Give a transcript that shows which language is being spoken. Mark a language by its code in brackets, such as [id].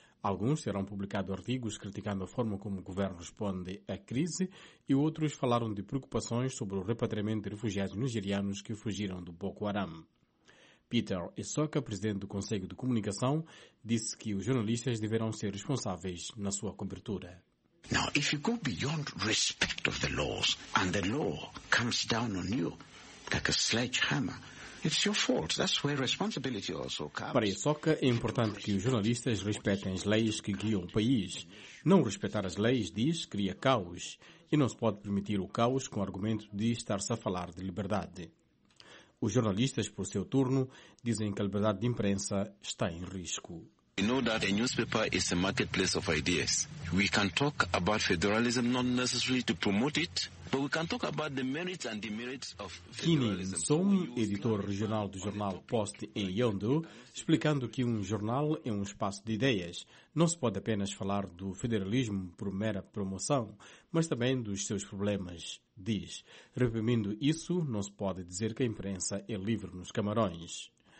[pt] Alguns terão publicado artigos criticando a forma como o governo responde à crise e outros falaram de preocupações sobre o repatriamento de refugiados nigerianos que fugiram do Boko Haram. Peter Isoka, presidente do Conselho de Comunicação, disse que os jornalistas deverão ser responsáveis na sua cobertura. [en] Now, if you go beyond respect of the laws and the law comes down on you like a sledgehammer, it's your fault. That's where responsibility also comes. [pt] Para Isoka, é importante que os jornalistas respeitem as leis que guiam o país. Não respeitar as leis, diz, cria caos. E não se pode permitir o caos com o argumento de estar-se a falar de liberdade. Os jornalistas, por seu turno, dizem que a liberdade de imprensa está em risco. [en] We know that a newspaper is a marketplace of ideas. We can talk about federalism, not necessarily to promote it, but we can talk about the merits and demerits of federalism. [pt] Kini Nsom, editor regional do jornal Post em Yondu, explicando que um jornal é um espaço de ideias. Não se pode apenas falar do federalismo por mera promoção, mas também dos seus problemas, diz. Reprimindo isso, não se pode dizer que a imprensa é livre nos Camarões.